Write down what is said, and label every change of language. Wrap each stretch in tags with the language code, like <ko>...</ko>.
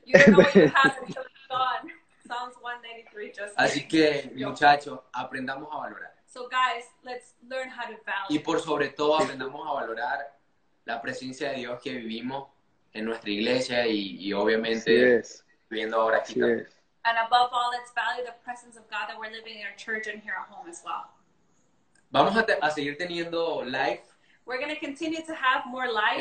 <en>You don't know what you have until it's gone. Psalms 193.</en> <es>Así que, muchachos, aprendamos a valorar.</es> <en>So guys, let's learn how to value.</en> <es>Y por sobre todo aprendamos a valorar la presencia de Dios que vivimos en nuestra iglesia y obviamente viviendo ahora aquí también.</es> <en>And above all, let's value the presence of God that we're living in our church and here at home as well.</en> <es>Vamos a seguir teniendo live.</es> <en>We're going to continue to have more lives.</en>